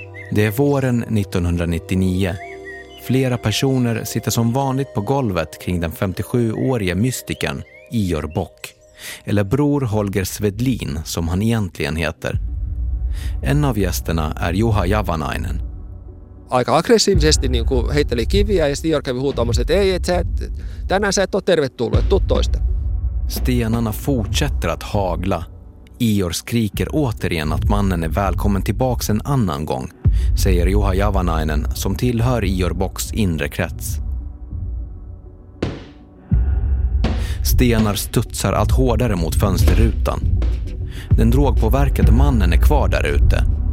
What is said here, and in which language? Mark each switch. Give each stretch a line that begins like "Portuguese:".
Swedish: Det är våren 1999. Flera personer sitter som vanligt på golvet kring den 57-årige mystikern Ior Bock, eller bror Holger Svedlin som han egentligen heter. En av gästerna är Juha Javanainen.
Finnish: Aika aggressiivisesti niin kuin heitteli kiviä ja Ior kävi huutamassa, että ei, että tänään sä et ole tervetullut, että tuu toista.
Swedish: Stenarna fortsätter att hagla. Ior skriker återigen att mannen är välkommen tillbaka en annan gång, säger Juha Javanainen som tillhör Ior Bocks inre krets. Stenar studsar allt hårdare mot fönsterrutan. Den drogpåverkade mannen är kvar där ute.